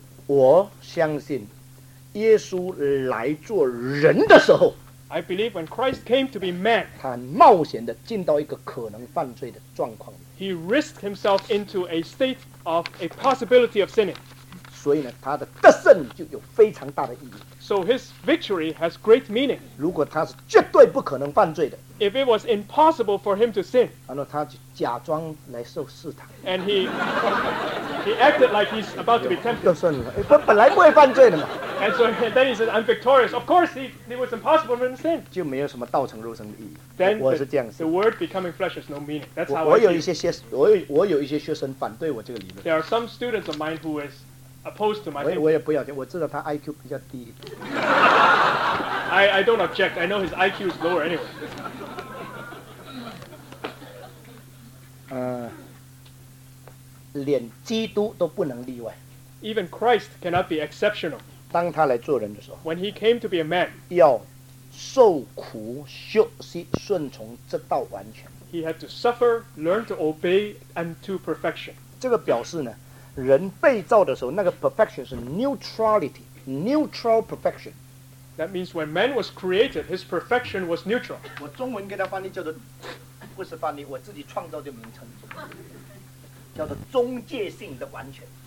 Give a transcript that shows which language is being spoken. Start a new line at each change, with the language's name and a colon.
Chinese: 我相信耶稣来做人的时候
English: I believe when Christ came to be man,
Chinese: 他冒险地进到一个可能犯罪的状况。
English: He risked himself into a state of a possibility of sinning.
Chinese: 所以呢，他的得胜就有非常大的意义。
English: So his victory has great meaning.
Chinese: 如果他是绝对不可能犯罪的
English: If it was impossible for him to sin,
Chinese: 然后他就假装来受试探
English: And he acted like he's about to be tempted.
Chinese: 就算了，他本来不会犯罪的嘛
English: And so then he said, I'm victorious. Of course, it was impossible for him to sin.
Chinese: 就没有什么道成肉身的意义
English: Then
Chinese: 我是这样想
English: the word becoming flesh has no meaning. That's how
Chinese: 我有一些学我有一些学生反对我这个理论
English: There are some students of mine who is. Opposed to my faith.
Chinese: 我也不要紧，我知道他 IQ 比较低。
English: I don't object. I know his IQ is lower anyway.
Chinese: 连基督都不能例外。
English: Even Christ cannot be exceptional.
Chinese: 当他来做人的时候
English: ，When he came to be a man,
Chinese: 要受苦、学习、顺从，直到完全。
English: He had to suffer, learn to obey, and to perfection.
Chinese: 这个表示呢？人被造的时候，那个 perfection 是
English: neutral perfection. That means when man was created, his perfection was neutral.
Chinese: 我中文给他翻译叫做，不是翻译，我自己创造的名称，叫做中介性的完全。